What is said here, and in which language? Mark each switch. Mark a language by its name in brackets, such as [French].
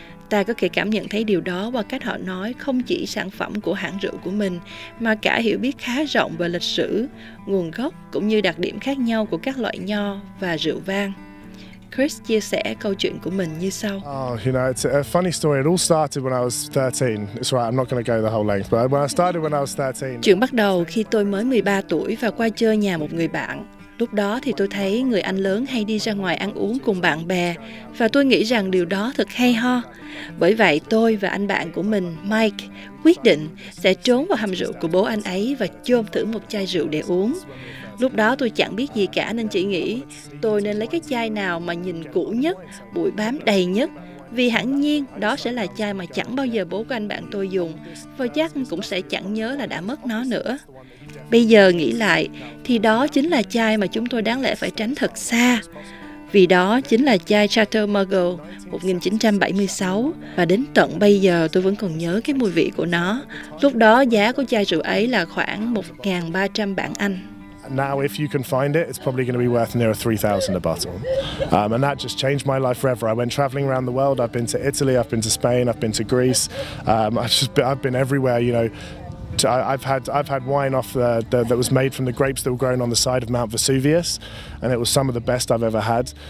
[Vietnamese] Ta có thể cảm nhận thấy điều đó qua cách họ nói không chỉ sản phẩm của hãng rượu của mình, mà cả hiểu biết khá rộng về lịch sử, nguồn gốc cũng như đặc điểm khác nhau của các loại nho và rượu vang. Chris chia sẻ câu chuyện của mình như sau. [English] Oh, you know, it's a funny story. It all started when I was 13. It's right, I'm not going to go the whole length, but when I started when I was 13. [Vietnamese] Chuyện bắt đầu khi tôi mới 13 tuổi và qua chơi nhà một người bạn. Lúc đó thì tôi thấy người anh lớn hay đi ra ngoài ăn uống cùng bạn bè, và tôi nghĩ rằng điều đó thật hay ho. Bởi vậy, tôi và anh bạn của mình, Mike, quyết định sẽ trốn vào hầm rượu của bố anh ấy và chôn thử một chai rượu để uống. Lúc đó tôi chẳng biết gì cả nên chỉ nghĩ tôi nên lấy cái chai nào mà nhìn cũ nhất, bụi bám đầy nhất, vì hẳn nhiên đó sẽ là chai mà chẳng bao giờ bố của anh bạn tôi dùng, và chắc cũng sẽ chẳng nhớ là đã mất nó nữa. Bây giờ nghĩ lại, thì đó chính là chai mà chúng tôi đáng lẽ phải tránh thật xa. Vì đó chính là chai Chateau Margaux 1976, và đến tận bây giờ tôi vẫn còn nhớ cái mùi vị của nó. Lúc đó giá của chai rượu ấy là khoảng 1.300 bảng Anh. [English] now, if you can find it, it's probably going to be worth near $3,000 a bottle. And that just changed my life forever. I went traveling around the world. I've been to Italy, I've been to Spain, I've been to Greece. I've been everywhere, you know. I've had wine off that was made from the grapes that were grown on the side of Mount Vesuvius, and it was some of the best I've ever had.